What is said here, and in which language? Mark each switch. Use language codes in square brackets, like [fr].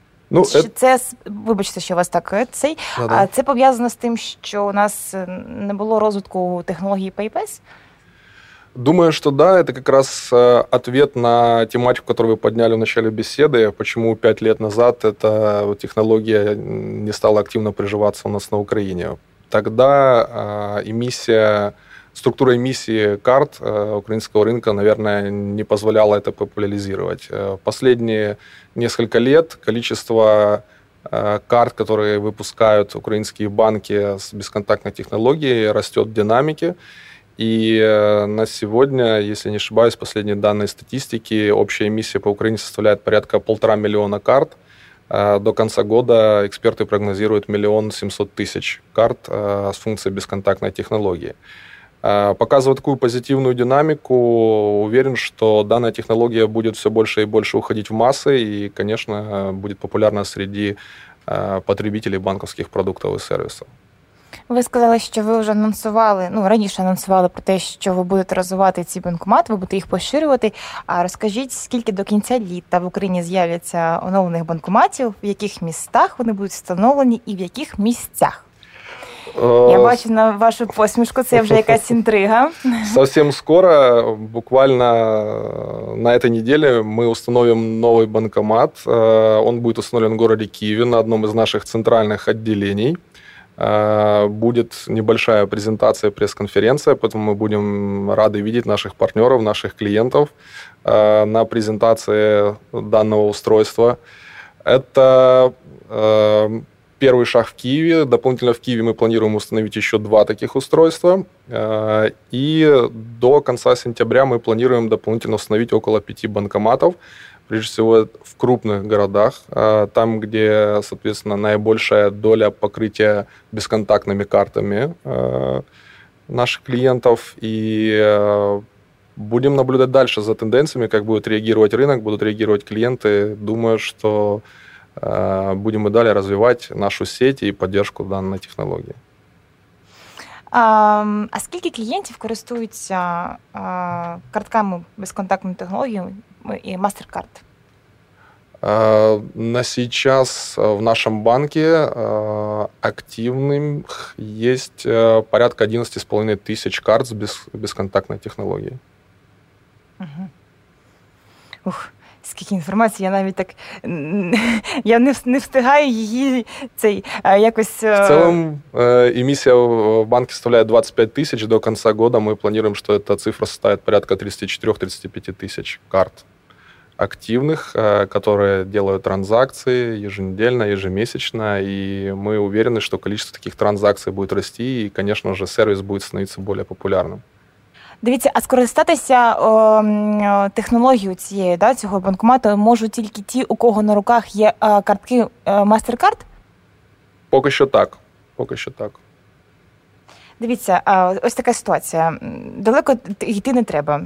[uk] Ну, вибачте, що у вас так цей. Да. Це пов'язано з тим, що у нас не було розвитку технології PayPass? Думаю, що да. Це якраз ответ на тематику, яку ви підняли в початку бесіди. Чому 5 років назад ця технологія не стала активно приживатися у нас на Україні? [ru] Тоді структура эмиссии карт украинского рынка, наверное, не позволяла это популяризировать. Последние несколько лет количество карт, которые выпускают украинские банки с бесконтактной технологией, растет в динамике. И на сегодня, если не ошибаюсь, последние данные статистики, общая эмиссия по Украине составляет порядка 1,5 миллиона карт. До конца года эксперты прогнозируют 1,7 миллиона карт с функцией бесконтактной технологии. Показывая такую позитивную динамику, уверен, что данная технология будет все больше и больше уходить в массы и, конечно, будет популярна среди потребителей банковских продуктов и сервисов. [uk] Ви сказали, що ви вже анонсували, ну, раніше анонсували про те, що ви будете розвивати ці банкомати, ви будете їх поширювати. А розкажіть, скільки до кінця літа в Україні з'являться оновлених банкоматів, в яких містах вони будуть встановлені і в яких місцях? Я бачу на вашу посмішку, це вже якась інтрига. [ru] Совсем скоро, буквально на этой неделе, мы установим новый банкомат. Он будет установлен в городе Киеве на одном из наших центральных отделений. Будет небольшая презентация, пресс-конференция, поэтому мы будем рады видеть наших партнеров, наших клиентов на презентации данного устройства. Это первый шаг в Киеве. Дополнительно в Киеве мы планируем установить еще 2 таких устройства. И до конца сентября мы планируем дополнительно установить около 5 банкоматов. Прежде всего в крупных городах, там, где, соответственно, наибольшая доля покрытия бесконтактными картами наших клиентов. И будем наблюдать дальше за тенденциями, как будет реагировать рынок, будут реагировать клиенты. [uk] Думаю, что будемо далі розвивати нашу сеть і підтримку даної технології. А скільки клієнтів користуються картками безконтактної технології і MasterCard? [ru] На сейчас в нашем банке активных есть порядка 11,5 тысяч карт с бесконтактной технологией. Угу. [uk] Ух, скільки інформації, я навіть так, я не встигаю її цей якось... В цілому емісія в банку становляє 25 тисяч, до кінця року ми плануємо, що ця цифра становить порядка 34-35 тисяч карт. [ru] Активных, которые делают транзакции еженедельно, ежемесячно, и мы уверены, что количество таких транзакций будет расти, и, конечно же, сервис будет становиться более популярным. [uk] Дивіться, а скористатися технологією цієї, да, цього банкомату можуть тільки ті, у кого на руках є картки MasterCard? Поки що так, поки що так. Дивіться, ось така ситуація. Далеко йти не треба.